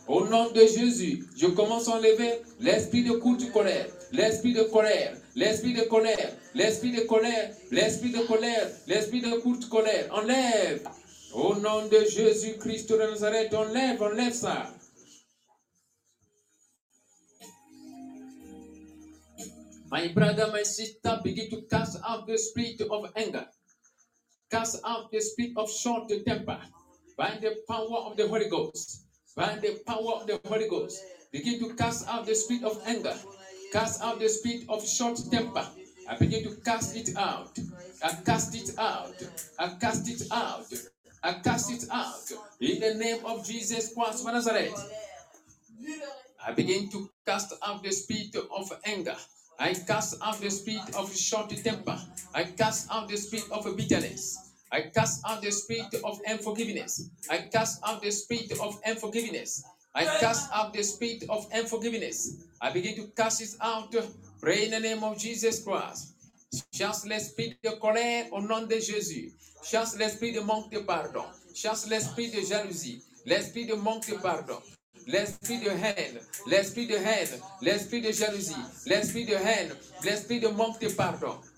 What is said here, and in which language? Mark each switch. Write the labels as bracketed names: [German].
[French] Au nom de Jésus, je commence à enlever l'esprit de courte colère. L'esprit de colère, l'esprit de colère, l'esprit de colère, l'esprit de colère, l'esprit de courte colère. Enlève. Au nom de Jésus-Christ de Nazareth, enlève, enlève ça. [English] My brother, my sister, begin to cast out the spirit of anger. Cast out the spirit of short temper by the power of the Holy Ghost. By the power of the Holy Ghost. Begin to cast out the spirit of anger. Cast out the spirit of short temper. I begin to cast it out. I cast it out. I cast it out. I cast it out. In the name of Jesus Christ of Nazareth. I begin to cast off the spirit of anger. I cast off the spirit of short temper. I cast off the spirit of bitterness. I cast off the spirit of unforgiveness. I cast off the spirit of unforgiveness. I cast off the spirit of unforgiveness. I begin to cast it out. Pray in the name of Jesus Christ. [French] Chasse l'esprit de colère au nom de Jésus. Chasse l'esprit de manque de pardon. Chasse l'esprit de jalousie. L'esprit de manque de pardon. L'esprit de haine, l'esprit de haine, l'esprit de jalousie, l'esprit de haine, l'esprit de manque de pardon.